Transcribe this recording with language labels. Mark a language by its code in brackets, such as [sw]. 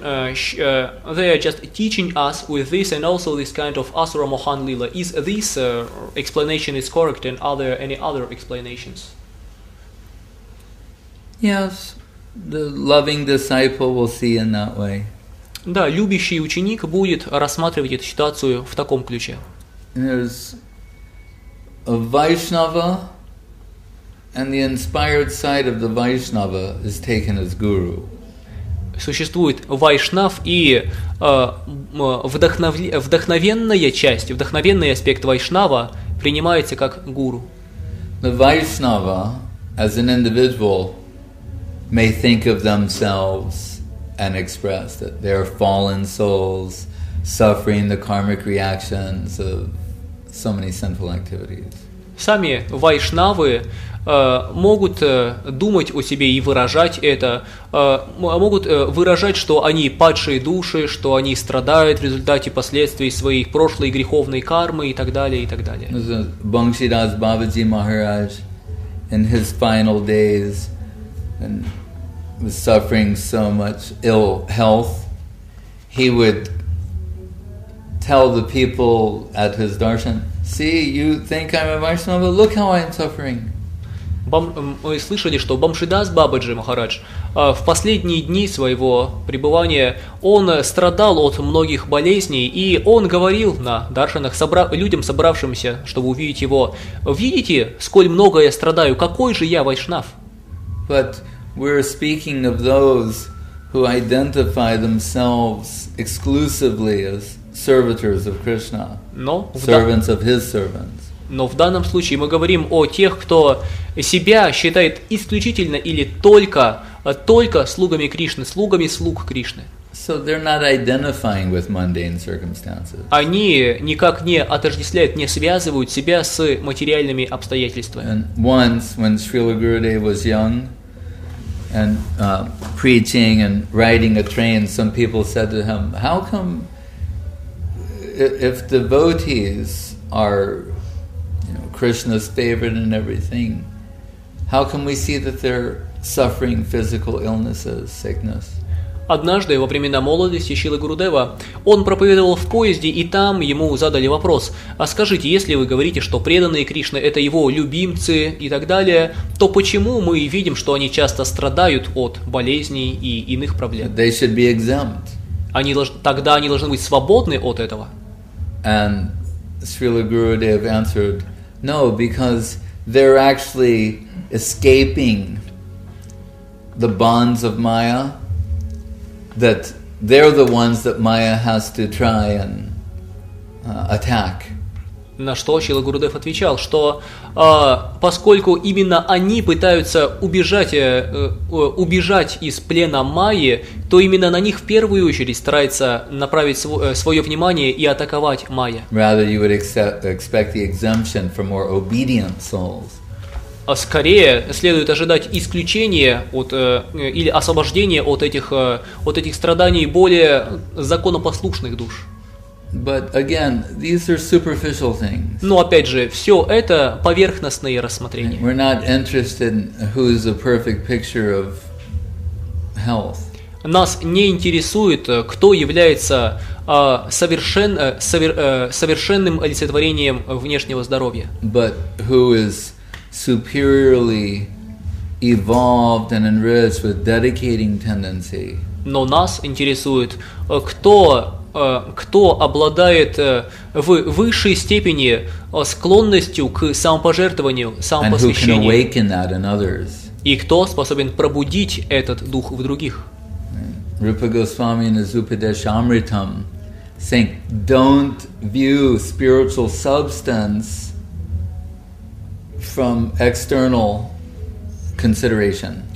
[en] They are just teaching us with this, and also this kind of Asura Mohan Lila. Is this explanation is correct? And are there any other explanations? Yes, the loving disciple will see in that way. [ru] Да, любящий ученик будет рассматривать эту ситуацию в таком ключе. [en] There's a Vaishnava, and the inspired side of the Vaishnava is taken as guru. [ru] Существует Вайшнав и вдохновенная часть, вдохновенный аспект Вайшнава принимается как гуру. [en] The Vaishnava as an individual may think of themselves and express that they're fallen souls suffering the karmic reactions of so many sinful activities. [ru] Сами вайшнавы могут думать о себе и выражать это, могут выражать, что они падшие души, что они страдают в результате последствий своей прошлой греховной кармы и так далее, и так далее. [en] Бхактидас Бабаджи Махарадж in his final days and was suffering so much ill health, he would tell the people at his darshan, "See, you think I'm a Vaishnava, but look how I'm suffering." [ru] Мы слышали, что Бхактидас Бабаджи Махарадж в последние дни своего пребывания он страдал от многих болезней, и он говорил на даршанах людям, собравшимся, чтобы увидеть его, "Видите, сколь много я страдаю, какой же я Вайшнав?" [en] But we're speaking of those who identify themselves exclusively as servitors of Krishna, servants of his servants. [ru] Но в данном случае мы говорим о тех, кто себя считает исключительно или только слугами Кришны, слугами слуг Кришны. [en] So they're not identifying with mundane circumstances. [ru] Они никак не отождествляют, не связывают себя с материальными обстоятельствами. [en] And once, when Srila Gurudev was young, and preaching and riding a train, some people said to him, "How come if devotees are, you know, Krishna's favorite and everything, how can we see that they're suffering physical illnesses, sickness?" [ru] Однажды во времена молодости Шрилы Гурудева он проповедовал в поезде, и там ему задали вопрос: "А скажите, если вы говорите, что преданные Кришны – это его любимцы и так далее, то почему мы видим, что они часто страдают от болезней и иных проблем?" [en] They should be exempt. [ru] Тогда они должны быть свободны от этого. [en] And Srila Gurudev answered, "No, because they're actually escaping the bonds of Maya. That they're the ones that Maya has to try and attack." [ru] На что Шрила Гурудев отвечал, что поскольку именно они пытаются убежать из плена Майи, то именно на них в первую очередь старается направить свое внимание и атаковать Майя. [en] Rather, you would expect the exemption for more obedient souls. [ru] А скорее следует ожидать исключения от или освобождения от этих страданий более законопослушных душ. [en] But again, these are superficial things. [ru] Но опять же, все это поверхностные рассмотрения. [en] We're not interested in who's a perfect picture of health. [ru] Нас не интересует, кто является совершенным олицетворением внешнего здоровья. [en] But who is superiorly evolved and enriched with dedicating tendency. [ru] Но нас интересует, кто обладает в высшей степени склонностью к самопожертвованию, самопосвящению. [en] And who can awaken that in others? [ru] И кто способен пробудить этот дух в других? [en] Rupa Goswami in his Upadeshamritam saying, don't view spiritual substance from external consideration.